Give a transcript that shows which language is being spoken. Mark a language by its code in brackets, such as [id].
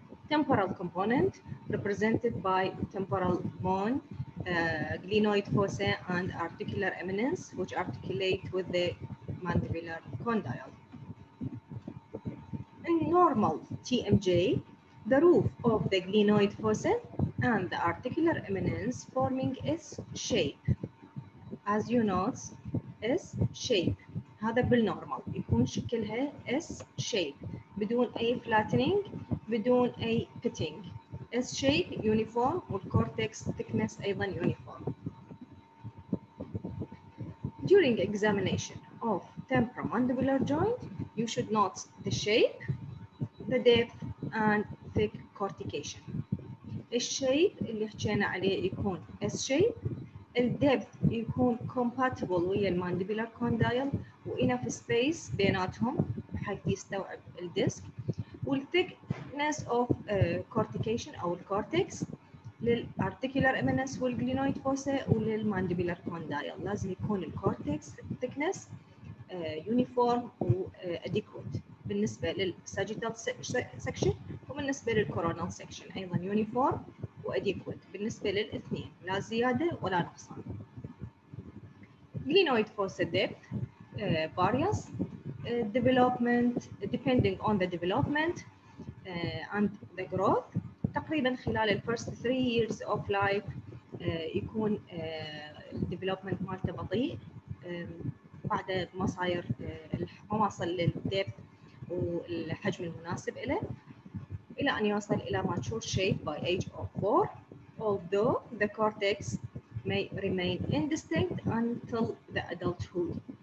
[en] Temporal component represented by temporal bone, glenoid fossae, and articular eminence, which articulate with the mandibular condyle. In normal TMJ, the roof of the glenoid fossae and the articular eminence forming S shape. As you know, S shape. [ar] هذا بالنورمال يكون شكلها S shape بدون أي flattening, بدون أي pitting. [en] S shape uniform with cortex thickness [ar] أيضا [en] uniform. During examination of temporomandibular joint, you should note the shape, the depth, and thick cortication. [ar] الشيب اللي حكينا عليه يكون S shape. الدبث يكون compatible ويا المانديبولار كوندايل و [en] enough space [ar] بيناتهم حتى يستوعب الديسك. وال [en] thickness of cortication [ar] أو الكورتيكس للarticular eminence والglenoid fossae وللمانديبولار كوندايل لازم يكون الكورتيكس thickness uniform و adequate بالنسبة للساجيتال section وبالنسبة للكورونال section أيضا uniform وأديكوت بالنسبة للاثنين لا زيادة ولا نقصان. [en] Glenoid fossa depth varies development depending on the development and the growth. [ar] تقريبا خلال [en] the first 3 years of life [ar] يكون development مالته بطيء بعد ما صاير ما وصل للdepth والحجم المناسب إليه. إلى أن يوصل إلى [en] mature shape by age of 4, although the cortex may remain indistinct until the adulthood.